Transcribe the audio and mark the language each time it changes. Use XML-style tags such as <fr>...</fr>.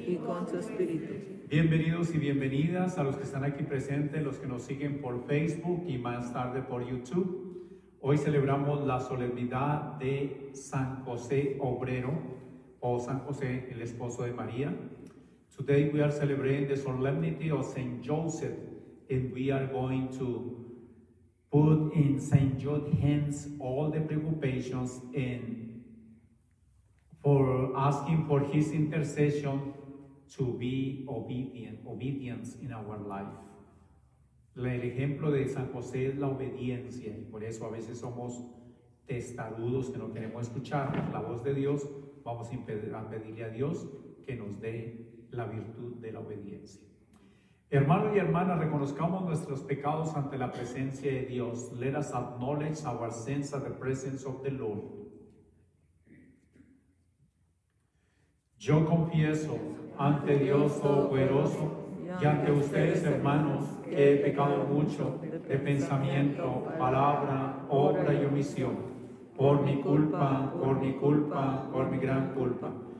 <es>Y con su espíritu. Bienvenidos y bienvenidas a los que están aquí presentes, los que nos siguen por Facebook y más tarde por YouTube. Hoy celebramos la solemnidad de San José Obrero, o San José, el esposo de María.</es> <en>Today we are celebrating the solemnity of Saint Joseph, and we are going to put in Saint Jude's hands all the preoccupations and for asking for his intercession to be obedient in our life.</en> <es>El ejemplo de San José es la obediencia, y por eso a veces somos testarudos que no queremos escuchar la voz de Dios. Vamos a pedirle a Dios que nos dé la virtud de la obediencia. Hermanos y hermanas, reconozcamos nuestros pecados ante la presencia de Dios.</es> <en>Let us acknowledge our sins at the presence of the Lord.</en> <es>Yo confieso ante Dios Todopoderoso y ante ustedes, hermanos, que he pecado mucho de pensamiento, palabra, obra y omisión. Por mi gran culpa.</es>